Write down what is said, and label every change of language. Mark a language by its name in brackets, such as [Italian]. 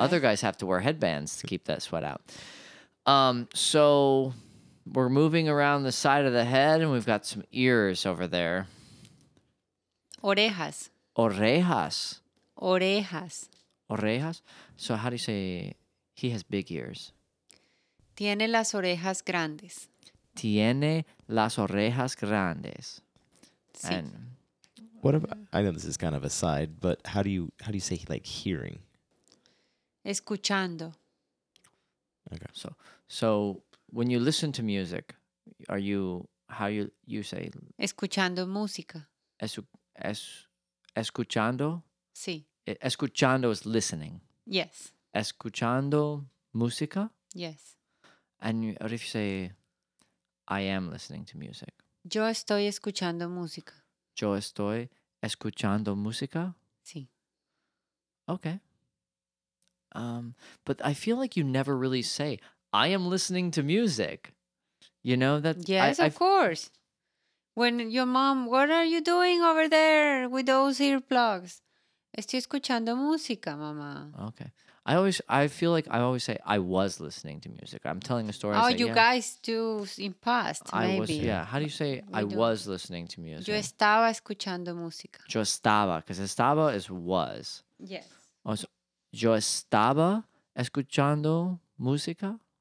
[English] Other guys have to wear headbands to keep that sweat out. So we're moving around the side of the head, and we've got some ears over there. [Spanish] Orejas. Orejas. Orejas. Orejas. [English] So how do you say he has big ears? [Spanish] Tiene las orejas grandes. Tiene las orejas grandes. Sí. And [English] what about, I know this is kind of a side, but how do you say like hearing? [Spanish] Escuchando. [English] Okay. So when you listen to music, how you say? [Spanish] Escuchando música. Escuchando? Sí. [English] Escuchando is listening. Yes. [Spanish] Escuchando música? [English] Yes. And what if you say, I am listening to music? [Spanish] Yo estoy escuchando música. Yo estoy escuchando música? Sí. [English] Okay. But I feel like you never really say, I am listening to music. You know that? Yes, of course. When your mom, what are you doing over there with those earplugs? [Spanish] Estoy escuchando música, mamá. [English] Okay. I feel like I always say, I was listening to music. I'm telling a story. Oh, say, you yeah. guys do in past, maybe. I was, yeah. How do you say, I was listening to music? [Spanish] Yo estaba escuchando música. Yo estaba, [English] because estaba is was. Yes. [Spanish] Also, yo estaba escuchando música?